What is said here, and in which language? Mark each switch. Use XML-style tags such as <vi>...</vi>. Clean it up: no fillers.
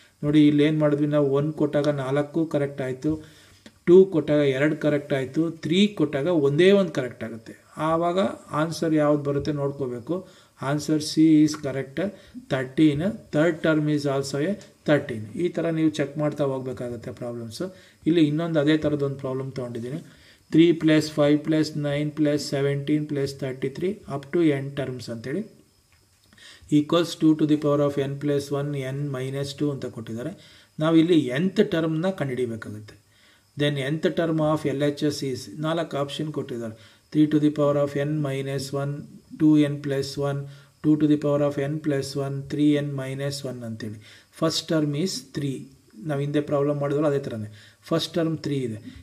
<kn>ನೋಡಿ, ಇಲ್ಲಿ ಏನು ಮಾಡಿದ್ವಿ ನಾವು, 1 ಕೊಟ್ಟಾಗ 4 ಕರೆಕ್ಟ್ ಆಯಿತು, 2 ಕೊಟ್ಟಾಗ 2 ಕರೆಕ್ಟ್ ಆಯಿತು, 3 ಕೊಟ್ಟಾಗ ಒಂದೇ ಒಂದು ಕರೆಕ್ಟ್ ಆಗುತ್ತೆ. ಆವಾಗ ಆನ್ಸರ್ ಯಾವ್ದು ಬರುತ್ತೆ ನೋಡ್ಕೋಬೇಕು.</kn> <en>answer C is correct,</en> <kn>13.</kn> <en>Third term is also a 13.</en> <kn>ಈ ಥರ ನೀವು ಚೆಕ್ ಮಾಡ್ತಾ ಹೋಗಬೇಕಾಗುತ್ತೆ ಪ್ರಾಬ್ಲಮ್ಸು. ಇಲ್ಲಿ ಇನ್ನೊಂದು ಅದೇ ಥರದೊಂದು ಪ್ರಾಬ್ಲಮ್ ತೊಗೊಂಡಿದ್ದೀನಿ.</kn> <en>3 + 5 + 9 + 17 + 33 up to n terms ಅಂತೇಳಿ equals 2 to the power of n + 1 n - 2</en> <kn>ಅಂತ ಕೊಟ್ಟಿದ್ದಾರೆ. ನಾವು ಇಲ್ಲಿ ಎಂತ್ ಟರ್ಮ್ನ ಕಂಡುಹಿಡಿಬೇಕಾಗುತ್ತೆ.</kn> <en>then nth term of L H S is,</en> <kn>4 option ಕೊಟ್ಟಿದ್ದಾರೆ.</kn> <en>3 to the power of n - 1, 2n + 1, 2 to the power of n + 1, 3n - 1 ಅಂತೇಳಿ. First term is 3.</en> <kn>ನಾವು ಹಿಂದೆ problem ಮಾಡಿದ್ರು ಅದೇ ಥರನೇ. ಫಸ್ಟ್ ಟರ್ಮ್ 3 ಇದೆ.</kn>